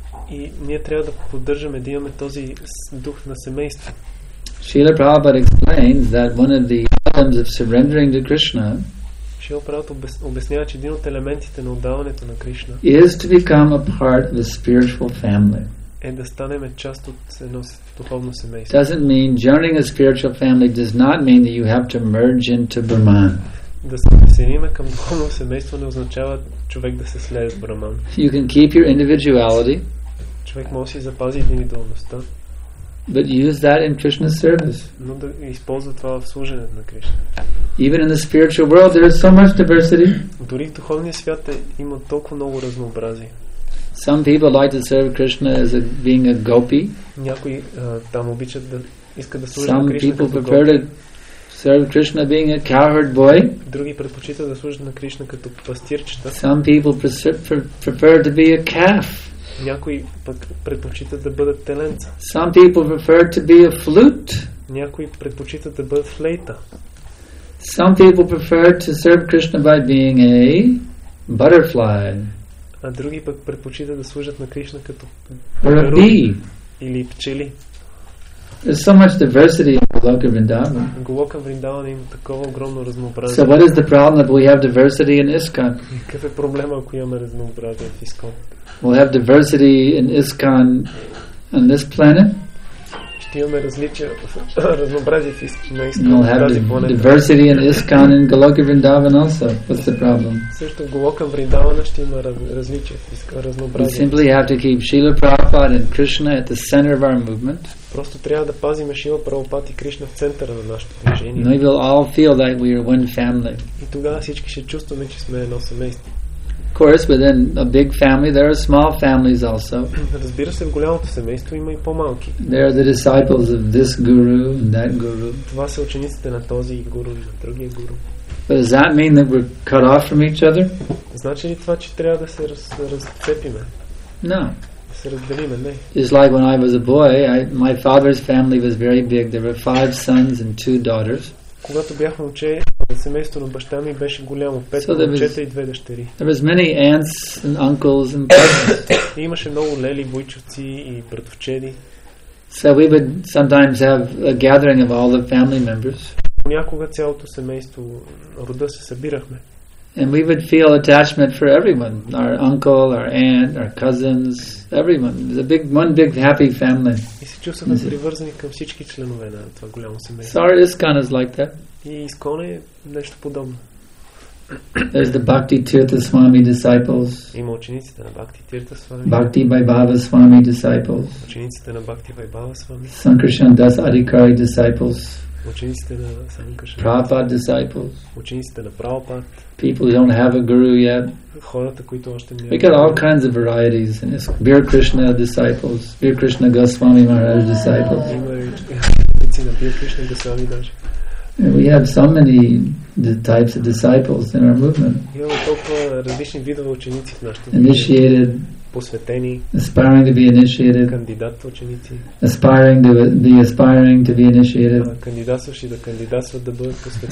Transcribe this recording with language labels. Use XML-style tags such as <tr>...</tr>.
<bg>И ние трябва да поддържаме да имаме този дух на семейство.</bg> <en>Srila Prabhupada explains that one of the elements of surrendering to Krishna.</en> <bg>Srila Prabhupada обяснява, че един от елементите на отдаването на Кришна</bg> <en>is to become a part of the spiritual family.</en> <bg>Е да станем част от едно духовно семейство.</bg> <en>Doesn't mean joining a spiritual family does not mean that you have to merge into Brahman.</en> <bg>Да се присъединим към духовно семейство не означава човек да се слее с Браман.</bg> <en>You can keep your individuality.</en> <bg>Човек може да запази индивидуалността.</bg> <en>But use that in Krishna's service.</en> <bg>Но да използва това в служението на Кришна.</bg> <en>Even in the spiritual world there is so much diversity.</en> <bg>Дори в духовния свят има толкова много разнообразие.</bg> <en>Some people like to serve Krishna as a, being a gopi.</en> <bg>Някои там обичат да искат да служат на Кришна.</bg> <en>Some people prefer to serve Krishna being a cowherd boy.</en> <bg>Други предпочитат да служат на Кришна като пастирчета.</bg> <en>Some people prefer to be a calf.</en> <bg>Някои пък предпочитат да бъдат теленца.</bg> <en>Some people prefer to be a flute.</en> <bg>Някои предпочитат да бъдат флейта.</bg> <en>Some people prefer to serve Krishna by being a butterfly.</en> <bg>А други пък предпочитат да служат на Кришна като</bg> <en>bee</en> <bg>или пчели.</bg> <en>There's so much diversity in Goloka Vrindavan.</en> <bg>Голока Вриндаван има такова огромно разнообразие.</bg> <en>So what is the problem that we have diversity in ISKCON?</en> <bg>Какъв е проблема, ако имаме разнообразие в ISKCON?</bg> <en>We'll have diversity in ISKCON on this planet.</en> <bg>Ще имаме различия, разнообразие в ISKCON.</bg> <en>We'll have diversity in ISKCON and Goloka Vrindavan also. What's the problem?</en> <bg>Също в Голока Вриндаван ще има различия в ISKCON, разнообразие.</bg> <en>We simply have to keep Srila Prabhupada and Krishna at the center of our movement.</en> <bg>Просто трябва да пазим Шрила Прабхупад и Кришна в центъра на нашето движение.</bg> <en>We will all feel that we are one family.</en> <bg>И тогава всички ще чувстваме, че сме едно семейство.</bg> <en>Of course, within a big family, there are small families also.</en> <bg>Разбира се, в голямото семейство има и по-малки.</bg> <en>There are the disciples of this guru and that guru.</en> <bg>Това са учениците на този гуру и на другия гуру.</bg> <en>But does that mean that we're cut off from each other?</en> <bg>Значи ли това, че трябва да се разцепиме?</bg> <en>No.</en> <bg>Да се разделиме, не.</bg> <en>It's like when I was a boy, my father's family was very big. There were 5 sons and 2 daughters.</en> <bg>Когато бях момче, семейство на баща ми беше голямо, 5 момчета и 2 дъщери.</bg> <en>There was many aunts and uncles and cousins.</en> <bg>Имаше много лели, буйчовци и братовчеди.</bg> <en>So we would sometimes have a gathering of all the family members.</en> <bg>Понякога цялото семейство, рода се събирахме.</bg> <en>And we would feel attachment for everyone, our uncle, our aunt, our cousins, everyone. It was a big, one big happy family.</en> <bg>И се чувствахме привързани към всички членове на това голямо семейство.</bg> <en>So our ISKCON is like that.</en> <bg>И ISKCON е нещо подобно.</bg> <en>There's the Bhakti Tirtha Swami disciples.</en> <bg>Има учениците на Бхакти Тирта Свами.</bg> <en>Bhakti Vaibhava Swami disciples.</en> <bg>Учениците на Бхакти Вайбава Свами.</bg> <en>Sankarshan Das Adhikari disciples.</en> <bg>Учениците на Сангкаршан.</bg> <en>Prabhupada disciples.</en> <bg>Учениците на Прабхупад.</bg> <en>People who don't have a guru yet.</en> <bg>Хората, които още не.</bg> <en>We got all kinds of varieties in this. Bir Krishna disciples. Bir Krishna Goswami Maharaj disciples.</en> <bg>Има учениците на Bir Krishna Goswami даже.</bg> <en>We have so many the types of disciples in our movement.</en> <bg>Имаме толкова различни видове ученици в нашето движение.</bg> <en>Initiated,</en> <bg>посветени,</bg> <en>aspiring to be initiated,</en> <bg>кандидат ученици,</bg> <en>aspiring to be initiated,</en> <bg>кандидатстващи да кандидатстват да бъдат посветени.</bg>